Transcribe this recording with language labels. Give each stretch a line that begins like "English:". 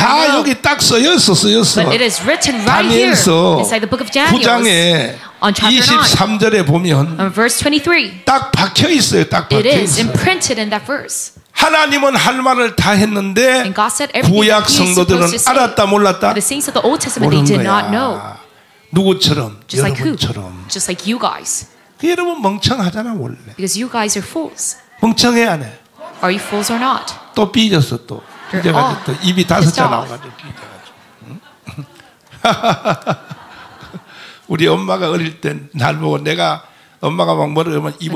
Korean: 다 여기 딱 쓰여있어.
English: But it is written right here.
Korean: 다니엘서
English: inside the book of Daniel.
Korean: 9장에 23절에 보면 딱 박혀 있어요. 딱 박혀 있어요.
English: It is imprinted in that verse.
Korean: 하나님은 할 말을 다 했는데 구약 성도들은 알았다 몰랐다.
English: The saints of the Old Testament, they did not know.
Korean: 누구처럼 여러분처럼.
English: Just like you guys.
Korean: 여러분 멍청하잖아 원래.
English: Because you guys are fools.
Korean: 멍청해 안 해.
English: Are you fools or not?
Korean: 또 삐졌어 또. 삐져가지고 또 입이 다섯 자 나와가지고 삐져가지고. 우리 엄마가 어릴 땐 날 보고 내가 엄마가 막 뭐라 그러면 입을